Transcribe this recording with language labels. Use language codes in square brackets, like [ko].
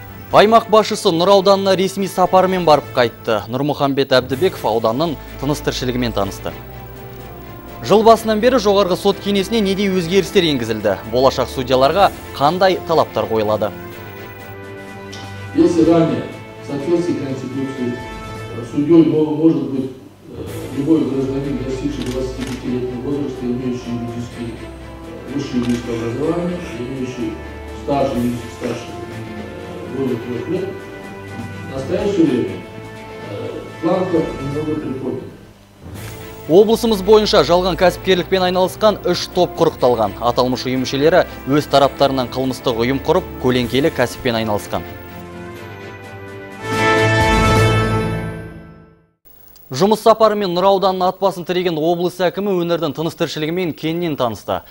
[kk] Аймақ башысы Нұр ауданына ресми сапарымен барып қайтты. Нұрмұхамбет Әбдібеков ауданның тыныс-тіршілігімен танысты. Жыл басынан бері жоғарғы сот кеңесіне неде өзгерістер енгізілді? Болашақ судьяларға қандай талаптар қойылады? [ru] Если ранее, соответствии конституции, судьей может быть любой гражданин, достигший 25-летнего возраста, имеющий юридический, высшее юридическое образование, имеющий стаж юридический стаж более 3 лет, в настоящее время планка немного приходит. [kk] Облысымыз бойынша жалған кәсіпкерлікпен айналысқан үш топ құрықталған. Аталмыш ұйым мүшелері өз тараптарынан қылмыстық ұйым құрып, көлеңкелі кәсіппен айналысқан. Жұмыс сапарымен Нұр ауданының ат басын тіреген облыс әкімі өңірдің тыныс-тіршілігімен кеңінен танысты.